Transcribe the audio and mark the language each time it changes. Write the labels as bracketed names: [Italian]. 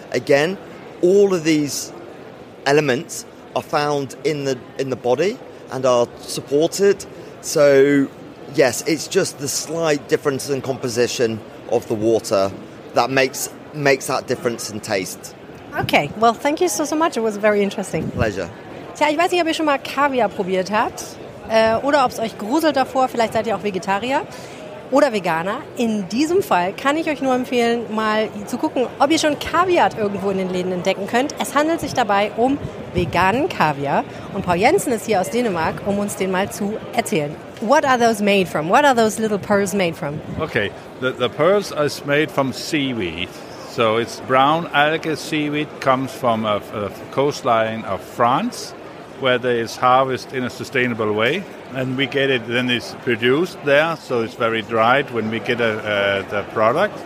[English] Again, all of these elements are found in the body and are supported. So yes, it's just the slight difference in composition of the water that makes that difference in taste. Okay, well, thank you so much. It was very interesting. Pleasure. [German] Tja, ich weiß nicht, ob ihr schon mal Kaviar probiert habt oder ob es euch gruselt davor. Vielleicht seid ihr auch Vegetarier oder Veganer. In diesem Fall kann ich euch nur empfehlen, mal zu gucken, ob ihr schon Kaviar irgendwo in den Läden entdecken könnt. Es handelt sich dabei um veganen Kaviar. Und Paul Jensen ist hier aus Dänemark, um uns den mal zu erzählen. [English] What are those made from? What are those little pearls made from? Okay, the pearls are made from seaweed. So it's brown algae seaweed, comes from a coastline of France, where they is harvested in a sustainable way. And we get it, then it's produced there, so it's very dried when we get the product.